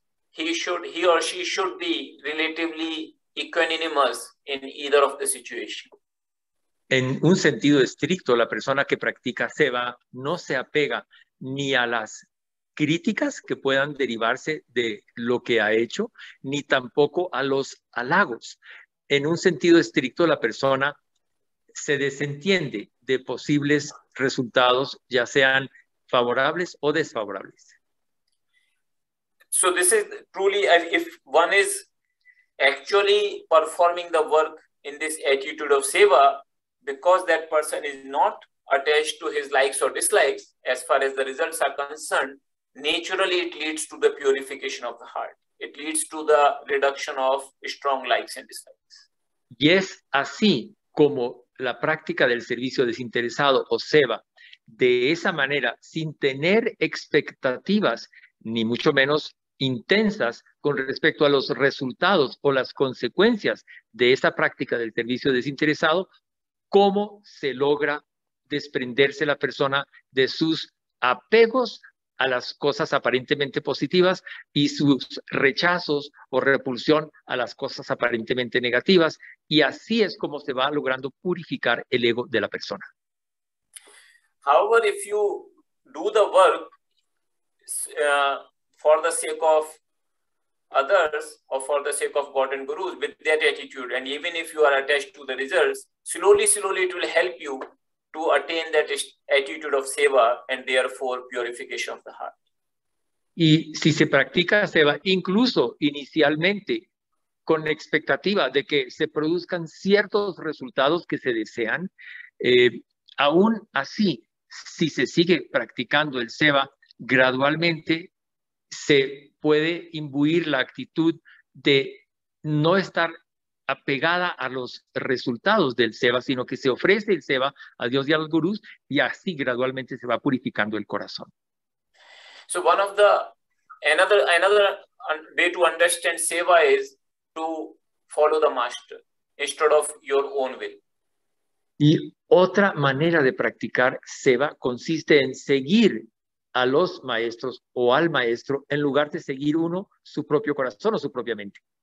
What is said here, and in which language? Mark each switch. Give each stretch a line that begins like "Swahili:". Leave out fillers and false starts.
English: He or she should be relatively equanimous in either of the situation.
Spanish: En un sentido estricto, la persona que practica seva no se apega ni a las críticas que puedan derivarse de lo que ha hecho, ni tampoco a los halagos. En un sentido estricto, la persona se desentiende de posibles resultados, ya sean favorables o desfavorables.
English: So this is truly, if one is actually performing the work in this attitude of seva, because that person is not attached to his likes or dislikes, as far as the results are concerned, naturally it leads to the purification of the heart. It leads to the reduction of strong likes and dislikes.
Spanish: Y es así como la práctica del servicio desinteresado o seva, de esa manera, sin tener expectativas, ni mucho menos intensas, con respecto a los resultados o las consecuencias de esa práctica del servicio desinteresado, ¿cómo se logra desprenderse la persona de sus apegos a las cosas aparentemente positivas y sus rechazos o repulsión a las cosas aparentemente negativas. Y así es como se va logrando purificar el ego de la persona.
English: However, if you do the work for the sake of others or for the sake of God and Gurus with that attitude, and even if you are attached to the results, slowly, slowly it will help you to attain that attitude of seva and therefore purification of the heart.
Spanish: Y si se practica seva, incluso inicialmente, con expectativa de que se produzcan ciertos resultados que se desean, aún así, si se sigue practicando el seva, gradualmente se puede imbuir la actitud de no estar apegada a los resultados del seva, sino que se ofrece el seva a Dios y a los gurús, y así gradualmente se va purificando el corazón.
English: So one of the another way to understand seva is to follow the master instead of your own will.
Spanish: Y otra manera de practicar seva consiste en seguir a los maestros o al maestro en lugar de seguir uno su propio corazón o su propia mente.